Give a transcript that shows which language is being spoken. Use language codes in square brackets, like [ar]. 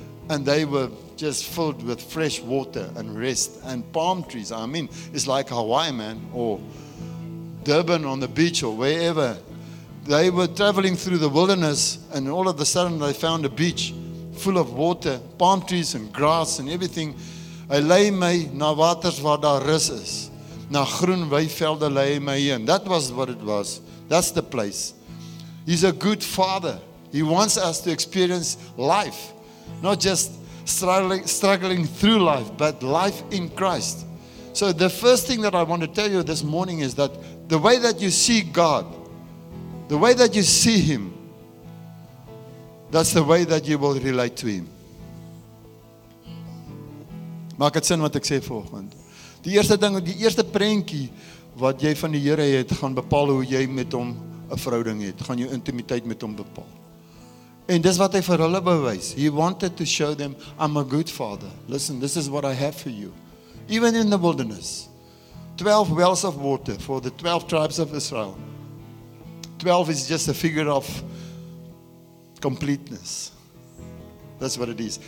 [en] And they were just filled with fresh water and rest and palm trees. I mean, it's like Hawaii, man, or Durban on the beach or wherever. They were traveling through the wilderness and all of a sudden they found a beach full of water, palm trees and grass and everything. [af] I lay me na waters waar daar rus is. Na groen weivelde lay me in. [en] That was what it was. That's the place. He's a good father. He wants us to experience life. Not just struggling through life, but life in Christ. So the first thing that I want to tell you this morning is that the way that you see God, the way that you see Him, that's the way that you will relate to Him. [af] Maak het sin wat ek sê volgende. Die eerste ding, die eerste prentjie wat jy van die Here het, gaan bepaal hoe jy met Hom 'n verhouding het, gaan jou intimiteit met Hom bepaal. En dis wat hy vir hulle bewys. [en] He wanted to show them, I'm a good father. Listen, this is what I have for you. Even in the wilderness. 12 wells of water for the 12 tribes of Israel. 12 is just a figure of completeness. That's what it is.